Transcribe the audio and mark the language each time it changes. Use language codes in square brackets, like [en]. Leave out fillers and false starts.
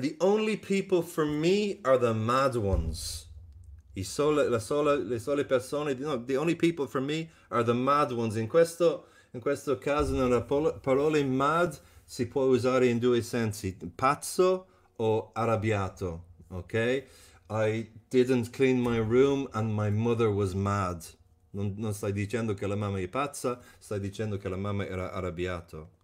[en] The only people for me are the mad ones. [it] Le sole persone, no, [en] the only people for me are the mad ones. [it] In questo caso, nella parola mad si può usare in due sensi, pazzo o arrabbiato, ok? [en] I didn't clean my room and my mother was mad. [it] Non stai dicendo che la mamma è pazza, stai dicendo che la mamma era arrabbiato.